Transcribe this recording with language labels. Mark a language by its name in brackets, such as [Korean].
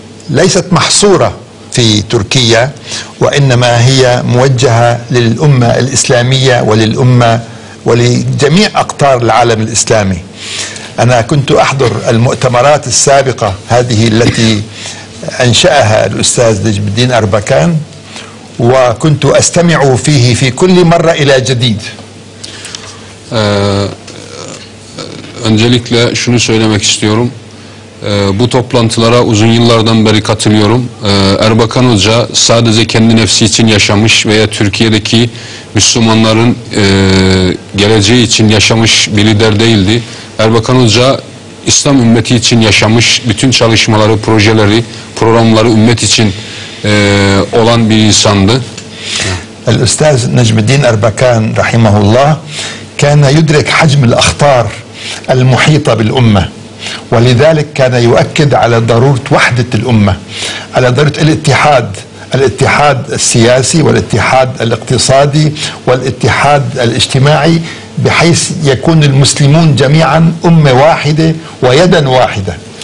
[Arabic] ليست محصورة في تركيا وإنما هي موجهة للأمة الإسلامية وللأمة ولجميع أقطار العالم الإسلامي أنا كنت أحضر المؤتمرات السابقة هذه التي أنشأها الأستاذ نجم الدين أربكان وكنت أستمع فيه في كل مرة إلى جديد [Turkish] Öncelikle şunu söylemek istiyorum. Bu toplantılara uzun yıllardan beri katılıyorum. Erbakan Hoca sadece kendi nefsi için yaşamış veya Türkiye'deki Müslümanların geleceği için yaşamış bir lider değildi. Erbakan Hoca İslam ümmeti için yaşamış, bütün çalışmaları, projeleri, programları ümmet için olan bir insandı. [Arabic] El-Üstaz Necmeddin Erbakan Rahimahullah kana yudrek hacmil ahtar المحيطة بالأمة ولذلك كان يؤكد على ضرورة وحدة الأمة على ضرورة الاتحاد الاتحاد السياسي والاتحاد الاقتصادي والاتحاد الاجتماعي بحيث يكون المسلمون جميعا أمة واحدة ويدا واحدة